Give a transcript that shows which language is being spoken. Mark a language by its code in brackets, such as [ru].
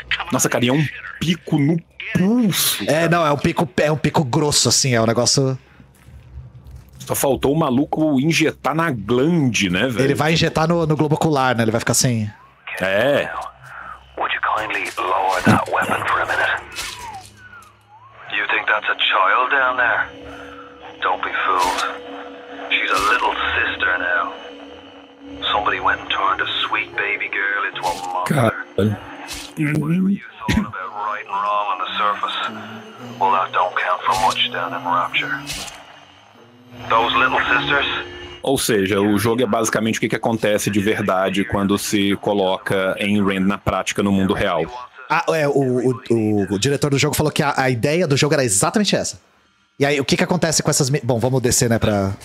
[pt] Nossa, cara, e é um pico no pulso. É, não, é um pico grosso, assim, é um negócio. Só faltou o maluco injetar na glande, né, velho? Ele vai injetar no globo ocular, né? Ele vai ficar assim. É. [en] Would you kindly lower that weapon for a minute? You think that's a child down there? Don't be fooled. She's a little sister now. Somebody went and turned a sweet baby girl into a mother. Whatever you thought about right and wrong on the surface, well, that don't count for much down in Rapture. Those little sisters. [pt] Ou seja, o jogo é basicamente o que acontece de verdade quando se coloca em Rand na prática no mundo real. Ah, é, o diretor do jogo falou que a ideia do jogo era exatamente essa. E aí, o que acontece com essas... Bom, vamos descer, né, pra...